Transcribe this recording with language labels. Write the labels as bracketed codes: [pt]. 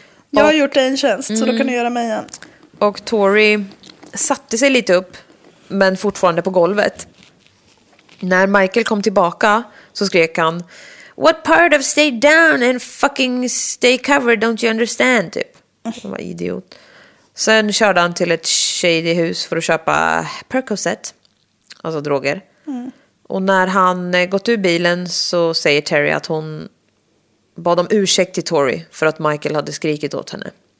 [sv] Jag har gjort dig en tjänst så då kan du göra mig igen. Och Tori satte sig lite upp men fortfarande på golvet. När Michael kom tillbaka så skrek han... [en] What part of stay down and fucking stay covered, don't you understand? [sv] Typ. Han var idiot. Sen körde han till ett shady hus för att köpa Percocet. Alltså droger. Och när han gått ur bilen så säger Terry att hon bad om ursäkt till Tori för att Michael hade skrikit åt henne.